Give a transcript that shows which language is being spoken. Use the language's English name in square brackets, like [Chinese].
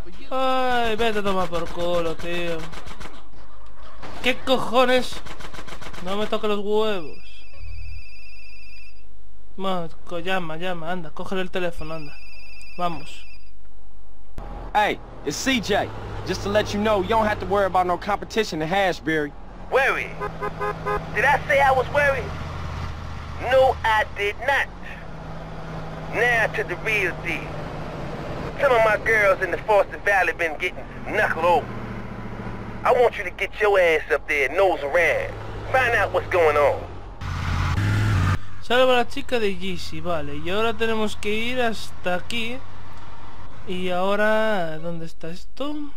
[Spanish] Ay, vete a tomar por culo, tío. ¿Qué cojones? No me toque los huevos. Bueno, llama, llama, anda, cógele el teléfono, anda. Vamos. [English] Hey, it's CJ. Just to let you know, you don't have to worry about no competition in Hashbury. Worry? Did I say I was worried? No, I did not. Now to the real deal. Some of my girls in the Forested Valley been getting knuckled over. I want you to get your ass up there and nose around. Find out what's going on. [Spanish] Salva a la chica de Yeezy, vale. Y ahora tenemos que ir hasta aquí. Y ahora, ¿dónde está esto?